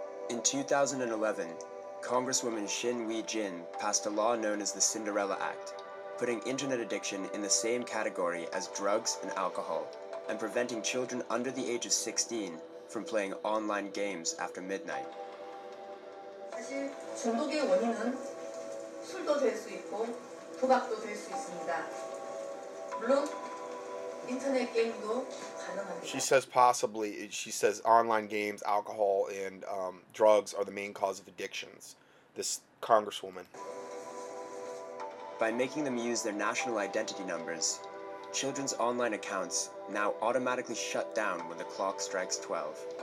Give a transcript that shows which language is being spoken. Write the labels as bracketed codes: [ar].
[en] In 2011, Congresswoman Shin Wei-jin passed a law known as the Cinderella Act, putting internet addiction in the same category as drugs and alcohol, and preventing children under the age of 16 from playing online games after midnight. [ko] 사실 중독의 원인은 술도 될 수 있고 도박도 될 수 있습니다. 물론 인터넷 게임도 가능합니다. [en] She says possibly, she says online games, alcohol, and drugs are the main cause of addictions. This congresswoman. By making them use their national identity numbers, children's online accounts now automatically shut down when the clock strikes 12.